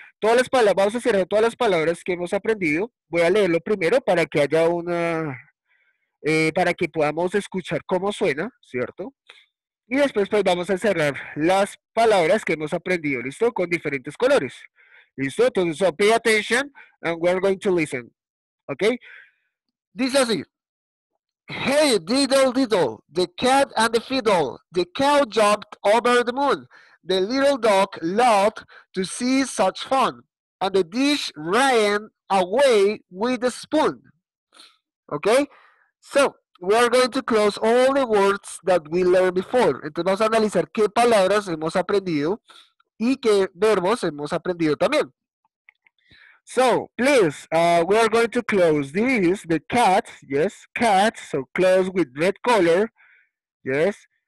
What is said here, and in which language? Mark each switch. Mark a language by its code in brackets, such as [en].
[es] Todas las palabras, vamos a cerrar todas las palabras que hemos aprendido. Voy a leerlo primero para que haya una. Para que podamos escuchar cómo suena, ¿cierto? Y después pues vamos a cerrar las palabras que hemos aprendido, ¿listo? Con diferentes colores. ¿Listo? [en] Entonces, so pay attention and we're going to listen. ¿Ok? [es] Dice así. [en] Hey, diddle diddle, the cat and the fiddle. The cow jumped over the moon. The little dog loved to see such fun. And the dish ran away with the spoon. ¿Ok? So, we are going to close all the words that we learned before. [es] Entonces vamos a analizar qué palabras hemos aprendido y qué verbos hemos aprendido también. [en] So, please, we are going to close this, the cat, yes, cat, so close with red color, yes.